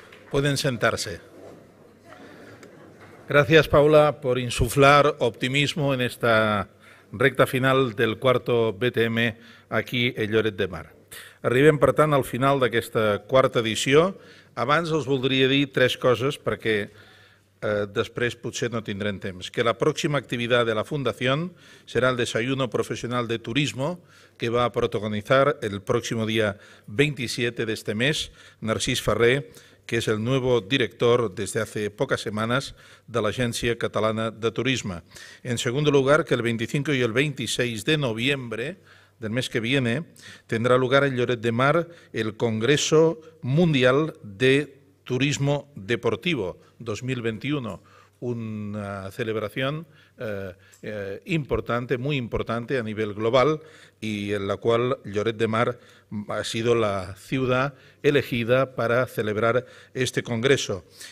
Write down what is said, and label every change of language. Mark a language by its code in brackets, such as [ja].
[es] Pueden sentarse. Gracias, Paula, por insuflar optimismo en esta recta final del quarto BTM aquí a Lloret de Mar. [ca] Arribem, per tant, al final d'aquesta quarta edició. Abans els voldria dir tres coses perquè després potser no tindrem temps. Que la pròxima activitat de la Fundació serà el desayuno professional de turisme que va a protagonitzar el pròxim dia 27 d'este mes Narcís Ferrer, que és el nou director des de fa poques setmanes de l'Agència Catalana de Turisme. En segon lloc, que el 25 i el 26 de novembre [es] del mes que viene [ca] tindrà lloc [es] a Lloret de Mar el Congreso Mundial de Turismo Deportivo 2021, [ca] una celebració [es] importante, muy importante a nivel global y en la cual Lloret de Mar ha sido la ciudad elegida para celebrar este congreso.